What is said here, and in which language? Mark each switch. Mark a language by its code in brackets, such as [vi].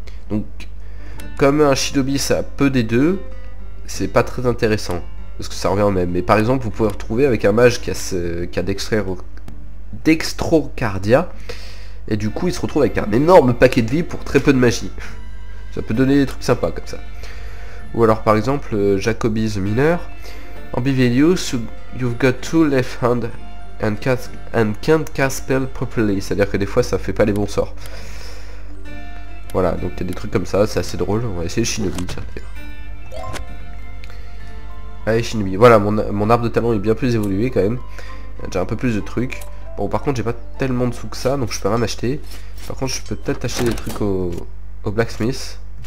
[fr] Donc comme un shinobi ça a peu des deux, c'est pas très intéressant. Parce que ça revient au même. Mais par exemple, vous pouvez retrouver avec un mage qui a Dextrocardia, Et du coup, il se retrouve avec un énorme paquet de vie pour très peu de magie. Ça peut donner des trucs sympas comme ça. Ou alors par exemple, Jacobi's Miner. [en] Ambivalious, you've got two left hand and can't cast spell properly. [fr] C'est-à-dire que des fois, ça fait pas les bons sorts. Voilà, donc il y a des trucs comme ça, c'est assez drôle. On va essayer Shinobi, tiens, d'ailleurs. Allez, Shinobi. Voilà, mon arbre de talent est bien plus évolué quand même. Il y a déjà un peu plus de trucs. Bon, par contre, j'ai pas tellement de sous que ça, donc je peux rien acheter. Par contre, je peux peut-être acheter des trucs au blacksmith.